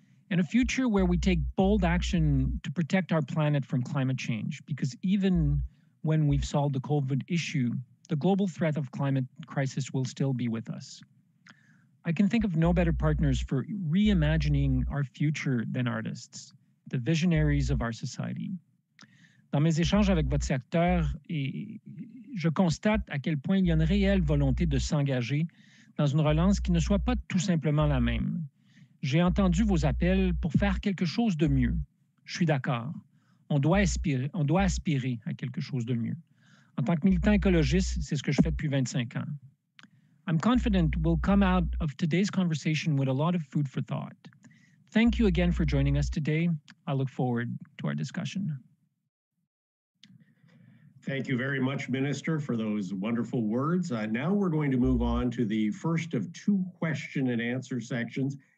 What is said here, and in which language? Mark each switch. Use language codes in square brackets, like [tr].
[en] And a future where we take bold action to protect our planet from climate change, because even when we've solved the COVID issue, the global threat of climate crisis will still be with us. I can think of no better partners for reimagining our future than artists, the visionaries of our society. [fr] Dans mes échanges avec votre secteur, je constate à quel point il y a une réelle volonté de s'engager dans une relance qui ne soit pas tout simplement la même. J'ai entendu vos appels pour faire quelque chose de mieux. Je suis d'accord. On doit aspirer à quelque chose de mieux. En tant que militant écologiste, c'est ce que je fais depuis 25 ans. [en] I'm confident we'll come out of today's conversation with a lot of food for thought. Thank you again for joining us today. I look forward to our discussion. Thank you very much, Minister, for those wonderful words. Now we're going to move on to the first of two question and answer sections.